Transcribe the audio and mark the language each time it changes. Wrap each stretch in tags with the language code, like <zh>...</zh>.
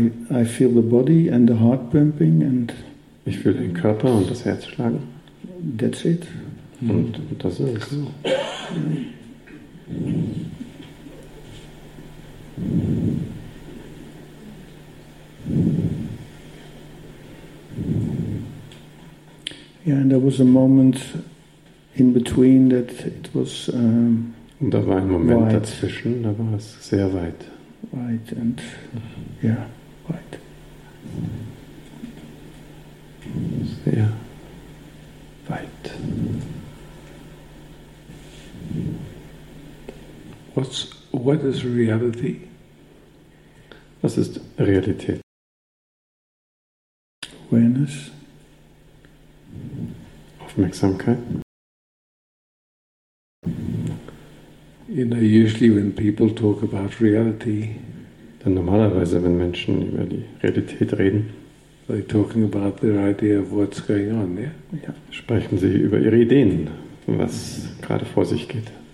<en>I feel the body and the heart pumping and</en> <de>ich fühle den Körper und das Herz schlagen.</de> <en>That's it.</en> <de>Und das ist es. Cool.</de> <en>Yeah, and there was a moment in between that it was</en> <de>und da war ein Moment</de> <en>wide.</en> <de>Dazwischen, da war es sehr weit. Weit</de> <en>and yeah. Right.</en> <de>Sehr weit.</de> <en>What is reality?</en> <de>Was ist Realität?</de> <en>Awareness.</en> <de>Aufmerksamkeit.</de> <en>You know, usually when people talk about reality.</en> <de>Denn normalerweise, wenn Menschen über die Realität reden,</de> <en>they're talking about their idea of what's going on, yeah?</en> <de>Ja. Sprechen sie über ihre Ideen, was gerade vor sich geht.</de>